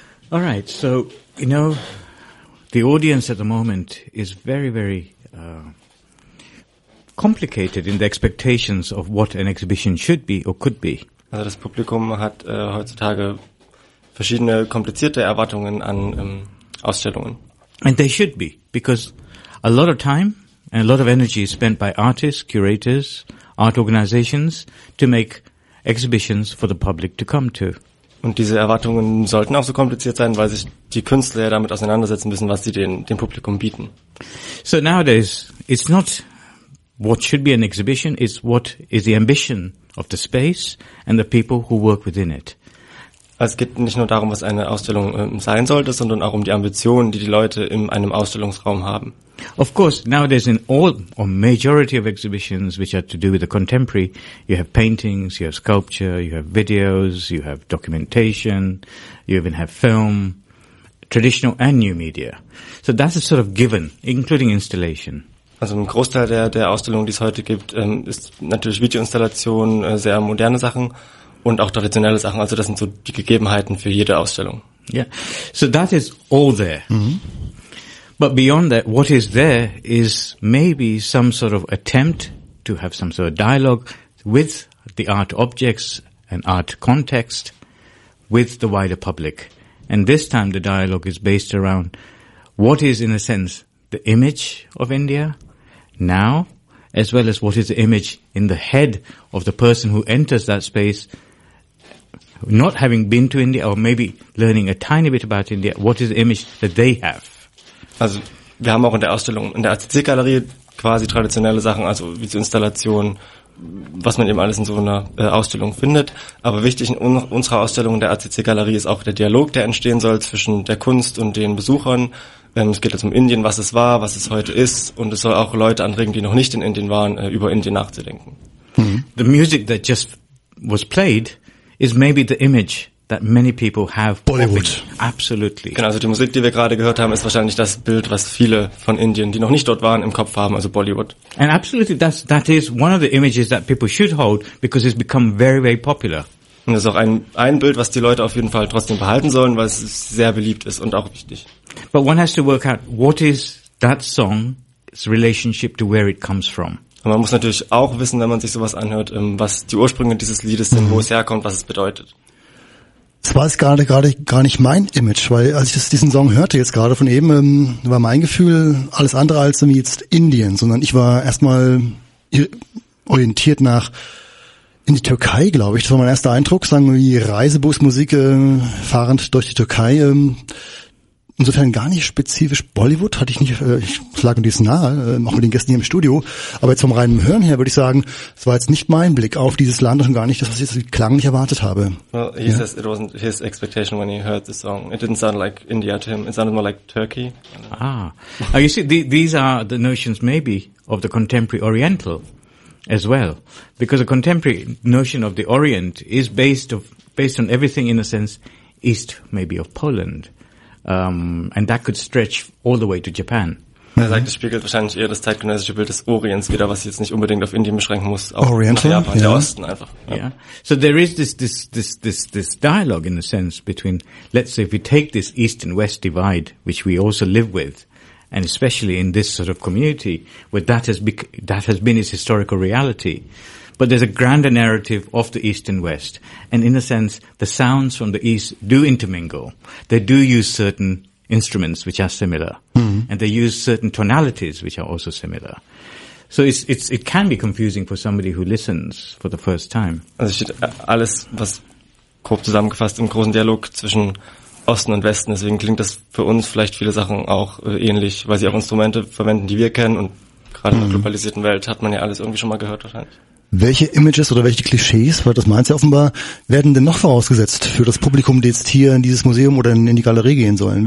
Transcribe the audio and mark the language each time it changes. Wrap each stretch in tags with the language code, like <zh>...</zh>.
<en>All right, so, you know, the audience at the moment is very, very complicated in the expectations of what an exhibition should be or could be.</en> <de>Also das Publikum hat heutzutage verschiedene komplizierte Erwartungen an Ausstellungen.</de> <en>And they should be, because a lot of time and a lot of energy is spent by artists, curators, art organizations to make exhibitions for the public to come to.</en> <de>Und diese Erwartungen sollten auch so kompliziert sein, weil sich die Künstler ja damit auseinandersetzen müssen, was sie dem Publikum bieten.</de> <en>So nowadays, it's not what should be an exhibition, it's what is the ambition of the space and the people who work within it.</en> <de>Es geht nicht nur darum, was eine Ausstellung sein sollte, sondern auch um die Ambitionen, die die Leute in einem Ausstellungsraum haben.</de> <en>Of course, nowadays in all or majority of exhibitions which are to do with the contemporary, you have paintings, you have sculpture, you have videos, you have documentation, you even have film, traditional and new media. So that's a sort of given, including installation.</en> <de>Also ein Großteil der Ausstellungen, die es heute gibt, ist natürlich Videoinstallation, sehr moderne Sachen. Und auch traditionelle Sachen, also das sind so die Gegebenheiten für jede Ausstellung.</de> <en>Yeah, so that is all there. Mm-hmm. But beyond that, what is there is maybe some sort of attempt to have some sort of dialogue with the art objects and art context with the wider public. And this time the dialogue is based around what is, in a sense, the image of India now, as well as what is the image in the head of the person who enters that space, not having been to India or maybe learning a tiny bit about India, what is the image that they have?</en> <de>Also, wir haben auch in der Ausstellung, in der ACC-Galerie quasi traditionelle Sachen, also wie zur Installation, was man eben alles in so einer Ausstellung findet. Aber wichtig in unserer Ausstellung in der ACC-Galerie ist auch der Dialog, der entstehen soll zwischen der Kunst und den Besuchern. Es geht jetzt um Indien, was es war, was es heute ist. Und es soll auch Leute anregen, die noch nicht in Indien waren, über Indien nachzudenken.</de> <en>The music that just was played is maybe the image that many people have. Bollywood. Absolutely.</en> <de>Genau, also die Musik, die wir gerade gehört haben, ist wahrscheinlich das Bild, was viele von Indien, die noch nicht dort waren, im Kopf haben, also Bollywood.</de> <en>And absolutely, that is one of the images that people should hold, because it's become very, very popular.</en> <de>Und das ist auch ein Bild, was die Leute auf jeden Fall trotzdem behalten sollen, weil es sehr beliebt ist und auch wichtig.</de> <en>But one has to work out, what is that song's relationship to where it comes from?</en> <de>Und man muss natürlich auch wissen, wenn man sich sowas anhört, was die Ursprünge dieses Liedes sind, wo es herkommt, was es bedeutet. Das war jetzt gerade gar nicht mein Image, weil als ich diesen Song hörte jetzt gerade von eben, war mein Gefühl alles andere als jetzt Indien, sondern ich war erstmal orientiert nach in die Türkei, glaube ich. Das war mein erster Eindruck, sagen wir wie Reisebusmusik fahrend durch die Türkei. Insofern gar nicht spezifisch Bollywood, hatte ich nicht, ich lag mir dies nahe, auch mit den Gästen hier im Studio. Aber jetzt vom reinen Hören her würde ich sagen, es war jetzt nicht mein Blick auf dieses Land und gar nicht das, was ich jetzt klanglich erwartet habe.</de> <en>Well, he says it wasn't his expectation when he heard the song. It didn't sound like India to him, it sounded more like Turkey. Ah, you see, these are the notions maybe of the contemporary Oriental as well. Because the contemporary notion of the Orient is based on everything in a sense east maybe of Poland. And that could stretch all the way to Japan.</en> <de>Er sagt, es spiegelt wahrscheinlich eher das zeitgenössische Bild des Orients wieder, was jetzt nicht unbedingt auf Indien beschränken muss, auch Oriental, nach Japan,</de> <en>yeah.</en> <de>Der Osten einfach. Ja.</de> <en>Yeah. So there is this dialogue in a sense between, let's say, if we take this East and West divide, which we also live with, and especially in this sort of community, where that has been its historical reality. But there's a grander narrative of the East and West. And in a sense, the sounds from the East do intermingle. They do use certain instruments which are similar. Mm-hmm. And they use certain tonalities which are also similar. So it can be confusing for somebody who listens for the first time.</en> <de>Also alles, was grob zusammengefasst im großen Dialog zwischen Osten und Westen, deswegen klingt das für uns vielleicht viele Sachen auch ähnlich, weil sie auch Instrumente verwenden, die wir kennen. Und gerade in der globalisierten Welt hat man ja alles irgendwie schon mal gehört wahrscheinlich. Welche Images oder welche Klischees, weil das meinst du ja offenbar, werden denn noch vorausgesetzt für das Publikum, die jetzt hier in dieses Museum oder in die Galerie gehen sollen?</de>